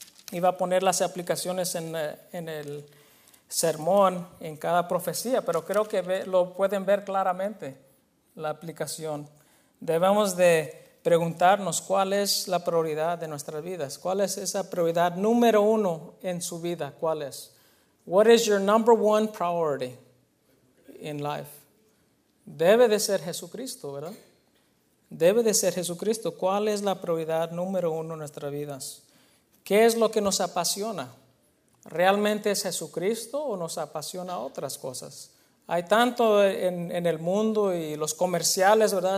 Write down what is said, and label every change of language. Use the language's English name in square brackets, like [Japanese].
[Spanish] Iba a poner las aplicaciones en el sermón, en cada profecía, pero creo que lo pueden ver claramente, la aplicación. Debemos de preguntarnos cuál es la prioridad de nuestras vidas, cuál es esa prioridad número uno en su vida, cuál es. [English] What is your number one priority in life? [Spanish] Debe de ser Jesucristo, ¿verdad? Debe de ser Jesucristo. ¿Cuál es la prioridad número uno en nuestras vidas? ¿Qué es lo que nos apasiona? ¿Realmente es Jesucristo o nos apasiona otras cosas? Hay tanto en el mundo y los comerciales, ¿verdad?